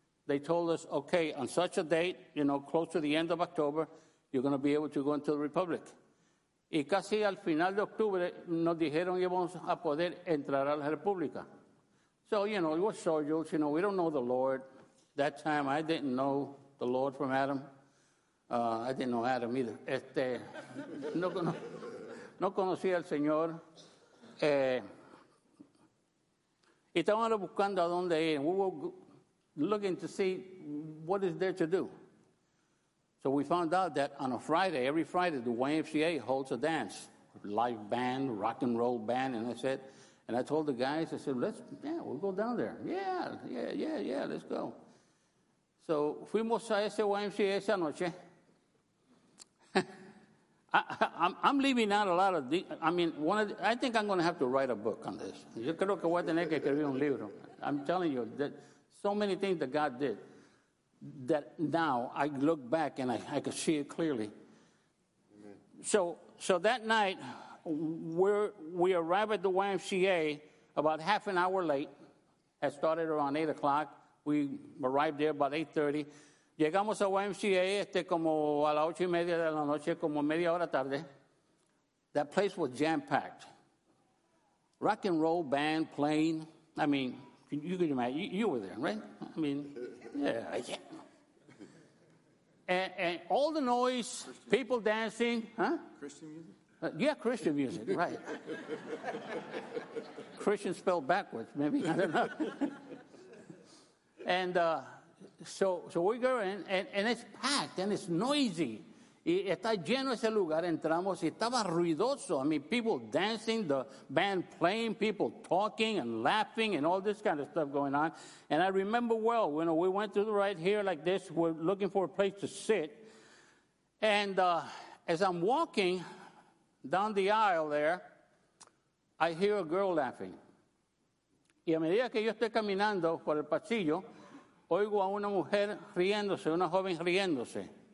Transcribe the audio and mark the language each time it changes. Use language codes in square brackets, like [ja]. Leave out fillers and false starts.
[en] They told us, okay, on such a date, you know, close to the end of October, you're going to be able to go into the Republic. [es] Y casi al final de octubre nos dijeron íbamos a poder entrar a la República. [en] So, you know, we're soldiers, you know, we don't know the Lord. That time I didn't know the Lord from Adam. I didn't know Adam either. [es] No conocí al Señor. Y estábamos buscando a dónde ir. [en] We were looking to see what is there to do. So we found out that on a Friday, every Friday, the YMCA holds a dance, live band, rock and roll band, and I said, and I told the guys, I said, let's, yeah, we'll go down there. Yeah, let's go. [es] So fuimos a ese YMCA esa noche. [en] I'm leaving out a lot of. I think I'm going to have to write a book on this. [es] Yo creo que voy a tener que escribir un libro. [en] I'm telling you that so many things that God did, that now I look back and I can see it clearly. Amen. So that night, we arrive at the YMCA about half an hour late. It started around 8 o'clock. We arrived there about 8:30. [es] Llegamos a YMCA como a las 8:30 de la noche, como media hora tarde. [en] That place was jam-packed. Rock and roll band playing. I mean, you can imagine. You were there, right? I mean, yeah. And all the noise, Christian people music. Dancing. Huh? Christian music? Yeah, Christian music, right. Christian spelled backwards, maybe. I don't know. And So we go in, and it's packed, and it's noisy. [es] Y está lleno ese lugar, entramos, y estaba ruidoso. [en] I mean, people dancing, the band playing, people talking and laughing, and all this kind of stuff going on. And I remember well, you know, we went to the right here like this, we're looking for a place to sit. And as I'm walking down the aisle there, I hear a girl laughing. [es] Y a medida que yo estoy caminando por el pasillo, oigo a una mujer riéndose, una joven riéndose.